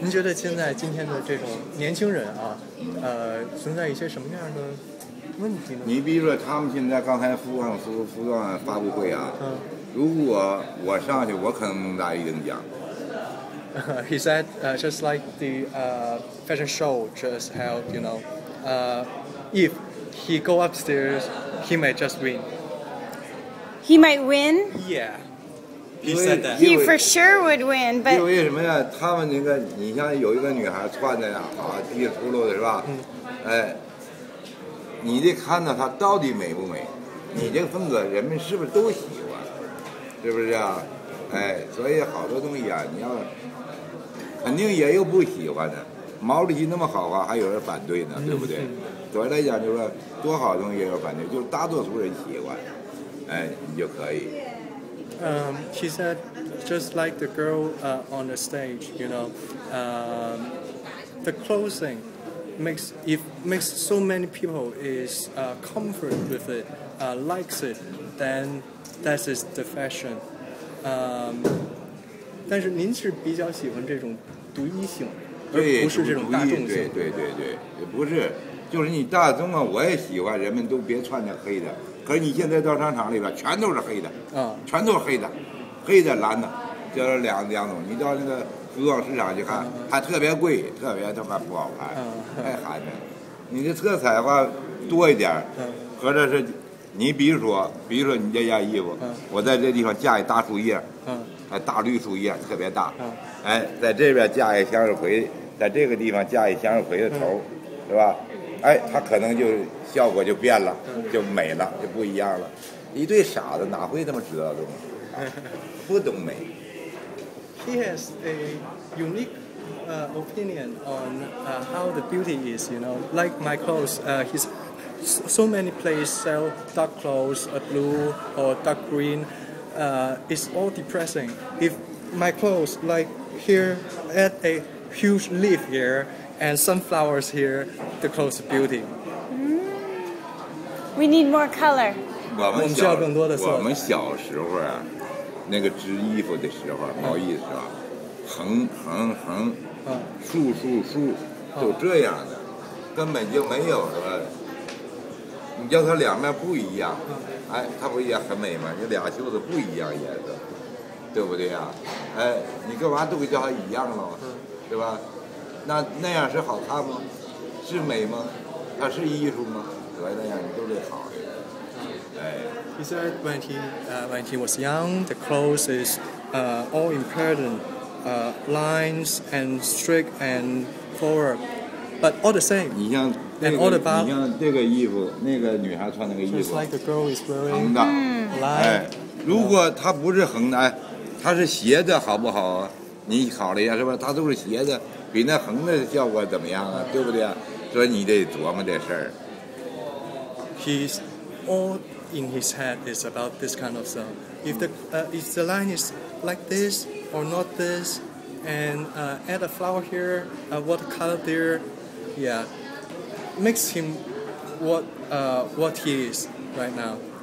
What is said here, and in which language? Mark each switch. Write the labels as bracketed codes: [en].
[zh] 您觉得现在今天的这种年轻人啊，存在一些什么样的问题呢？你比如说，他们现在刚才服装发布会啊，如果我上去，我可能能拿一等奖。 [en] He said, just like the fashion show just held, you know, if he go upstairs, he might just win. He might win? Yeah. He said that. He for sure would win, but... [zh] 因为什么呀？他们那个，你像有一个女孩穿的呀，好，低着秃噜的是吧？嗯。哎，你得看到她到底美不美，你这个风格人们是不是都喜欢，是不是啊？哎，所以好多东西啊，你要肯定也有不喜欢的，毛主席那么好啊，还有人反对呢，对不对？总的来讲就是说，多好东西也有反对，就是大多数人喜欢，哎，你就可以。 [en] She said, just like the girl on the stage, you know, the clothing makes so many people is comfort with it, likes it, then that is the fashion. [zh] 但是您是比较喜欢这种。独一性，而不是这种大众性。对对对对，也不是，就是你大众啊，我也喜欢，人们都别穿着黑的。可是你现在到商场里边，全都是黑的，全都是黑的，黑的、蓝的，就是两种。你到那个服装市场去看，还特别贵，特别他妈不好看，太寒碜。你的色彩的话多一点，合着是，你比如说你这件衣服，我在这地方架一大树叶，大绿树叶特别大。哎，在这边架一向日葵，在这个地方架一向日葵的头，是吧？哎，它可能就效果就变了，就美了，就不一样了。一对傻子哪会这么知道东西、啊？不懂美。 [en] He has a unique opinion on how the beauty is. You know, like my clothes. He's so many places sell dark clothes, a blue or dark green. It's all depressing. If my clothes like. Here at a huge leaf here and some flowers here, the clothes beauty. We need more color. [zh] 我们需要更多的色彩。我们小时候啊，那个织衣服的时候，毛衣的时候，横横横，竖竖竖，就这样的，根本就没有什么。你叫它两面不一样，哎，它不也很美吗？你俩袖子不一样颜色。对不对呀、啊？哎，你干嘛都叫它一样了，对吧？那样是好看吗？是美吗？它是艺术吗？对吧？那样你都得好。哎。 [en] He said when he was young, the clothes is all important, lines and streak and color, but all the same. [zh] 你像那个， [en] and all about, [zh] 你像这个衣服，那个女孩穿那个衣服， [en] just like the girl is wearing, [zh] 横的， [en] line, [zh] 哎，如果它不是横的，哎。它是斜的好不好啊？你考虑一下是吧？它都是斜的，比那横的效果怎么样啊？对不对啊？所以你得琢磨这事儿。 [en] He's all in his head is about this kind of stuff. If the line is like this or not this, and add a flower here, what color there, yeah, makes him what he is right now.